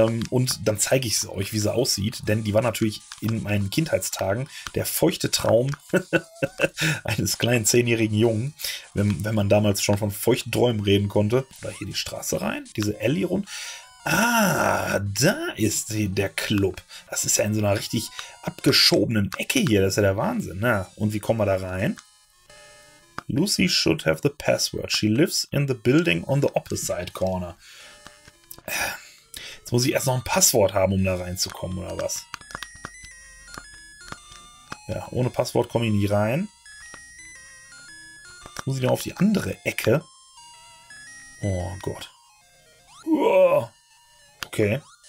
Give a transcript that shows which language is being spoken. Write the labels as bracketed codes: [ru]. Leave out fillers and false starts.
[de] Und dann zeige ich es euch, wie sie aussieht. Denn die war natürlich in meinen Kindheitstagen der feuchte Traum eines kleinen 10-jährigen Jungen, wenn man damals schon von feuchten Träumen reden konnte. Oder hier die Straße rein, diese Alley rund. Ah, da ist sie, der Club. Das ist ja in so einer richtig abgeschobenen Ecke hier. Das ist ja der Wahnsinn. Na, und wie kommen wir da rein? [en] Lucy should have the password. She lives in the building on the opposite corner. [de] Muss ich erst noch ein Passwort haben, um da reinzukommen, oder was? Ja, ohne Passwort komme ich nie rein. Muss ich noch auf die andere Ecke? Oh Gott. Uah. Okay.